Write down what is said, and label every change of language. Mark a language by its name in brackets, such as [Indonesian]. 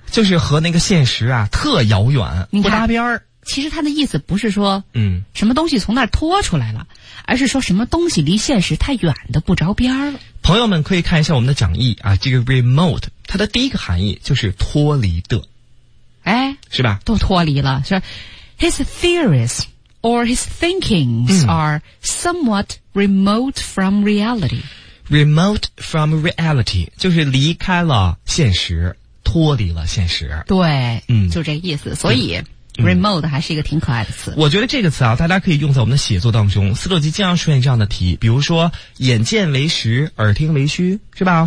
[Chinese] 就是和那个现实啊特遥远，不搭边儿。其实他的意思不是说，嗯，什么东西从那儿脱出来了、嗯，而是说什么东西离现实太远的不着边儿了。朋友们可以看一下我们的讲义啊，这个 remote。它的第一个含义就是脱离的，哎，是吧？ [English] 都脱离了，是 his theories or his thinkings are somewhat remote from reality. [Chinese] Remote from reality 就是离开了现实，脱离了现实。对，嗯，就这个意思。所以。 Remote 还是一个挺可爱的词、嗯、我觉得这个词啊大家可以用在我们的写作当中，思路机经常出现这样的题，比如说眼见为实耳听为虚，是吧？